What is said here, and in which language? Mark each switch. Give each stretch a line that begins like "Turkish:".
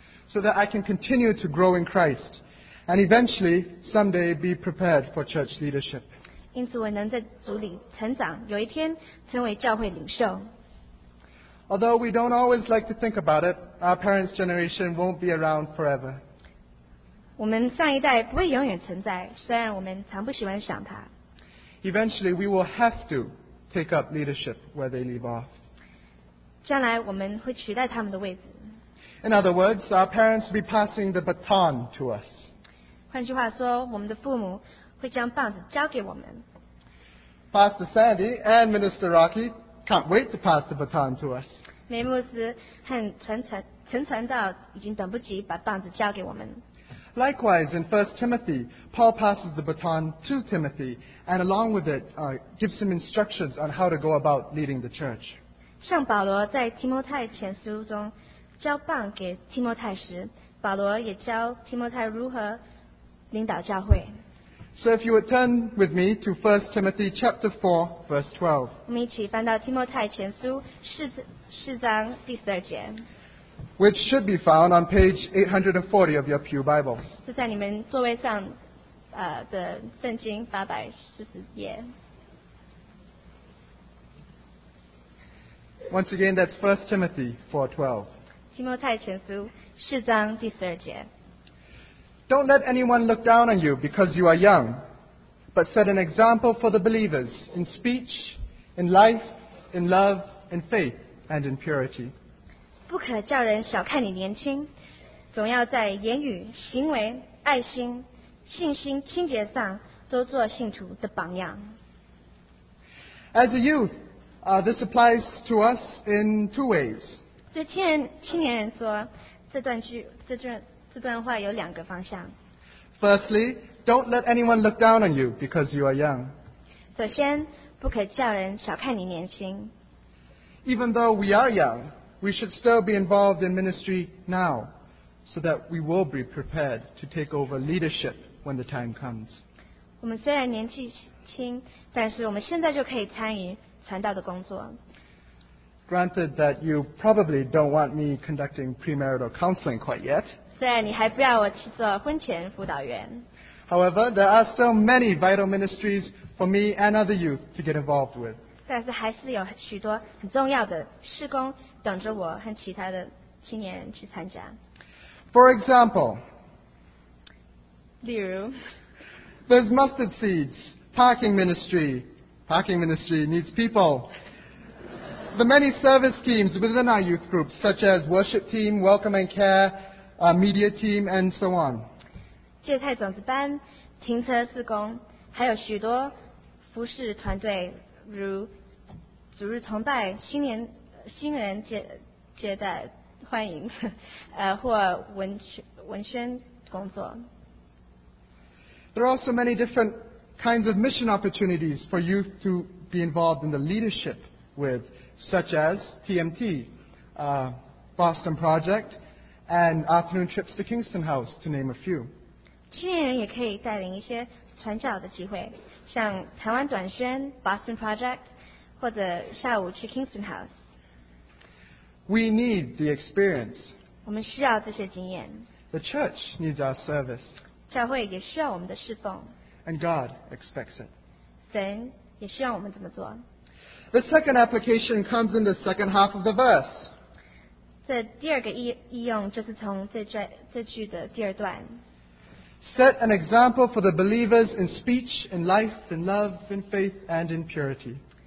English: So that I can continue to grow in Christ. And eventually, someday, be prepared for church leadership.
Chinese: 因此我能在主里成长，有一天成为教会领袖。
English: Although we don't always like to think about it, our parents' generation won't be around forever.
Chinese: 我们上一代不会永远存在，虽然我们常不喜欢想它。
English: Eventually, we will have to take up leadership where they leave off.
Chinese: 将来我们会取代他们的位置。
English: In other words, our parents will be passing the baton to us.
Chinese: 换句话说，我们的父母会将棒子交给我们。
English: Pastor Sandy and Minister Rocky can't wait to pass the baton to us.
Chinese: 梅牧师和陈传道已经等不及把棒子交给我们。
English: Likewise, in 1 Timothy, Paul passes the baton to Timothy, and along with it, gives some instructions on how to go about leading the church.
Chinese: 像保罗在提摩太前书中交棒给提摩太时，保罗也教提摩太如何。
English: So if you would turn with me to 1 Timothy chapter 4, verse 12.
Chinese: 我们一起翻到提摩太前书四章第十二节。
English: Which should be found on page 840 of your pew Bibles.
Chinese: 是在你们座位上的圣经八百四十页。
English: Once again, that's 1 Timothy 4:12.
Chinese: 提摩太前书四章第十二节。
English: Don't let anyone look down on you because you are young, but set an example for the believers in speech, in life, in love, in faith, and in purity.
Chinese: 不可叫人小看你年轻，总要在言语、行为、爱心、信心、清洁上都做信徒的榜样。
English: As a youth, this applies to us in two ways.
Chinese: 对青年人说，这段话有两个方向。
English: Firstly, don't let anyone look down on you because you are young.
Chinese: 首先，不可叫人小看你年轻。
English: Even though we are young, we should still be involved in ministry now, so that we will be prepared to take over leadership when the time comes.
Chinese: 我们虽然年纪轻，但是我们现在就可以参与传道的工作。
English: Granted that you probably don't want me conducting premarital counseling quite yet.
Chinese: 虽然你还不要我去做婚前辅导员。
English: However, there are still many vital ministries for me and other youth to get involved with.
Chinese: 但是还是有许多很重要的事工等着我和其他的青年去参加。
English: For example,
Chinese: 例如
English: there's mustard seeds, parking ministry needs people, the many service teams within our youth groups, such as worship team, welcome and care, media team, and so on.
Chinese: 芥菜种子班、停车四工，还有许多服事团队，如主日崇拜、新人接待欢迎，或文宣工作。
English: There are also many different kinds of mission opportunities for youth to be involved in the leadership with, such as TMT, Boston Project, and afternoon trips to Kingston House, to name a few.
Chinese: 青年人也可以带领一些传教的机会，像台湾短宣、Boston Project, 或者下午去 Kingston House.
English: We need the experience.
Chinese: 我们需要这些经验。
English: The church needs our service.
Chinese: 教会也需要我们的侍奉。
English: And God expects it.
Chinese: 神也希望我们怎么做。
English: The second application comes in the second half of the verse.
Chinese: 这第二个意用就是从这句的第二段。
English: Set an example for the believers in speech, in life, in love, in faith, and in purity.